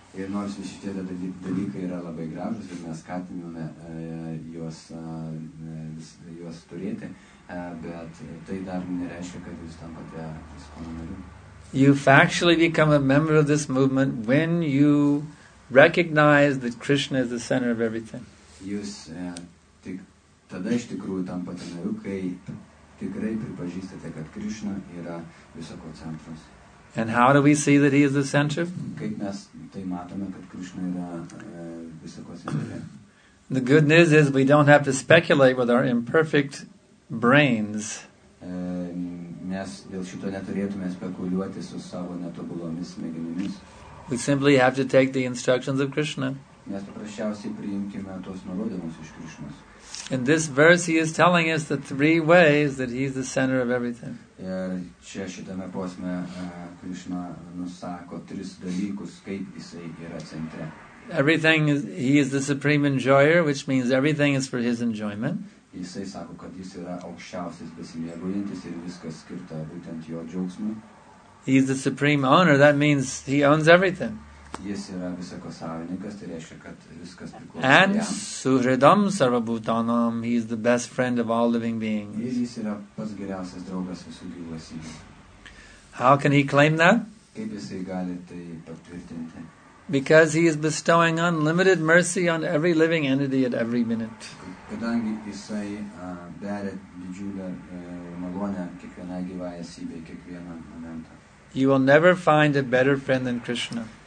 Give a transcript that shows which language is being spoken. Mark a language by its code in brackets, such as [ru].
[en] You factually become a member of this movement when you recognize that Krishna is the center of everything. [lt] Jūs tik tada iš tikrųjų tampate nariu, kai tikrai pripažįstate, kad Krishna yra viso ko centras. [en] And how do we see that he is the center? [lt] Kaip mes tai matome, kad Krishna yra viso ko centre? [en] The good news is we don't have to speculate with our imperfect brains. [lt] Mes dėl šito neturėtume spekuliuoti su savo netobulomis smegenimis. [en] We simply have to take the instructions of Krishna. [lt] Mes paprasčiausiai priimkime tos nurodymus iš Krishnos. [en] In this verse he is telling us the three ways that he is the center of everything. [lt] Ir čia šitame posme Krishna nusako tris dalykus, kaip jisai yra centre. [en] Everything is, he is the supreme enjoyer, which means everything is for his enjoyment. [lt] Jisai sako, kad jis yra aukščiausias besimėgaujantis ir viskas skirta būtent jo džiaugsmui. [en] He is the supreme owner, that means he owns everything. [lt] Jis yra visako savininkas, tai reiškia, kad viskas priklauso jam. [en] And [sa] suhridam sarvabhutanam, [en] he is the best friend of all living beings. [lt] Ir jis yra pats geriausias draugas visų gyvų esybių. [en] How can he claim that? [lt] Kaip jisai gali tai patvirtinti? [en] Because he is bestowing unlimited mercy on every living entity at every minute. [lt] Kadangi jisai beria didžiulę malonę kiekvienai gyvai esybei kiekvieną momentą. [en] You will never find a better friend than Krishna.